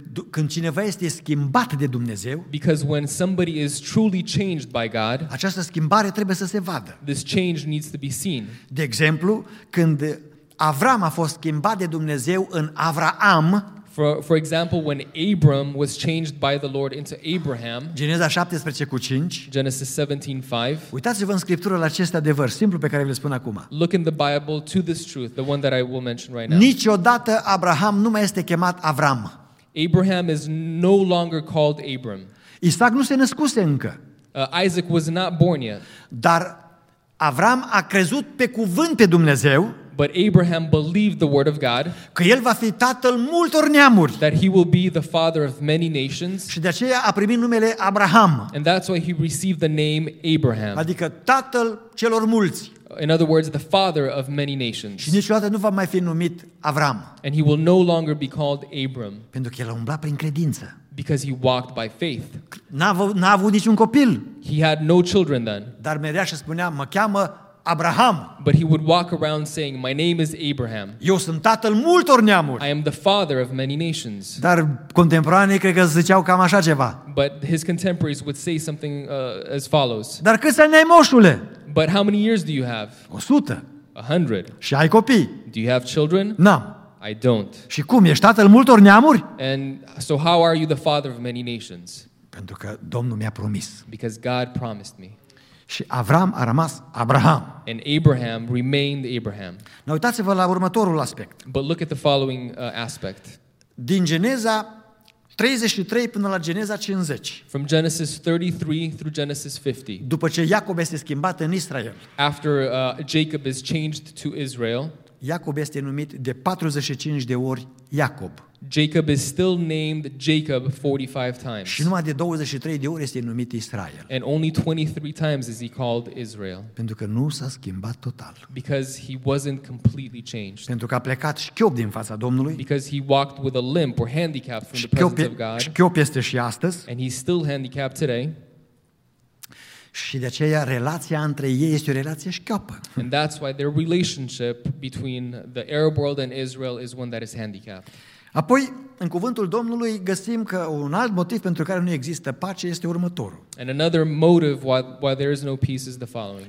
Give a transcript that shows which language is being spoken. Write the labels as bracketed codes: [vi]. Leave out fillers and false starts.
[ro] Când cineva este schimbat de Dumnezeu, [en] because when somebody is truly changed by God, [ro] această schimbare trebuie să se vadă. [en] This change needs to be seen. [ro] De exemplu, când Avram a fost schimbat de Dumnezeu în Avraam, [en] for example, when Abram was changed by the Lord into Abraham, [ro] Geneza 17:5, [en] Genesis 17:5, [ro] uitați-vă în Scriptură la acest adevăr simplu pe care vi-l spun acum. [en] Look in the Bible to this truth, the one that I will mention right now. [ro] Niciodată Abraham nu mai este chemat Avram. [en] Abraham is no longer called Abram. [ro] Isaac nu se născuse încă. [en] Isaac was not born yet. [ro] Dar Avram a crezut pe cuvânt pe Dumnezeu. [en] But Abraham believed the word of God. [ro] Că el va fi tatăl multor neamuri. [en] That he will be the father of many nations. [ro] Și de aceea a primit numele Abraham. [en] And that's why he received the name Abraham. [ro] Adică tatăl celor mulți. [en] In other words, the father of many nations. [ro] Și niciodată nu va mai fi numit Avram. [en] And he will no longer be called Abram. [ro] Pentru că el a umblat prin credință. [en] Because he walked by faith. [ro] N-a avut niciun copil. [en] He had no children then. [ro] Dar mergea și spunea, mă cheamă Abraham. [en] But he would walk around saying, my name is Abraham. [ro] Eu sunt tatăl multor neamuri. [en] I am the father of many nations. [ro] Dar contemporanii cred că ziceau cam așa ceva. [en] But his contemporaries would say something as follows. [ro] Dar câți ani ai, moșule? [en] But how many years do you have? [ro] 100. [en] 100. [ro] Și ai copii? [en] Do you have children? [ro] N-am. [en] I don't. [ro] Și cum, ești tatăl multor neamuri? [en] And so how are you the father of many nations? [ro] Pentru că Domnul mi-a promis. [en] Because God promised me. [ro] Și Avram a rămas Abraham. [en] And Abraham remained Abraham. [ro] Nu uitați-vă la următorul aspect. [en] But look at the following aspect. [ro] Din Geneza 33 până la Geneza 50. [en] From Genesis 33 through Genesis 50. [ro] După ce Iacob este schimbat în Israel. [en] After Jacob is changed to Israel. [ro] Iacob este numit de 45 de ori Iacob. [en] Jacob is still named Jacob 45 times. [ro] Și numai de 23 de ori este numit Israel. [en] And only 23 times is he called Israel. [ro] Pentru că nu s-a schimbat total. [en] Because he wasn't completely changed. [ro] Pentru că a plecat șchiop din fața Domnului. [en] Because he walked with a limp or handicap from the presence of God. [ro] Șchiop este și astăzi. [en] And he's still handicapped today. [ro] Și de aceea relația între ei este o relație șchioapă. [en] And that's why their relationship between the Arab world and Israel is one that is handicapped. [ro] Apoi, în cuvântul Domnului, găsim că un alt motiv pentru care nu există pace este următorul. [en] And another motive why there is no peace is the following.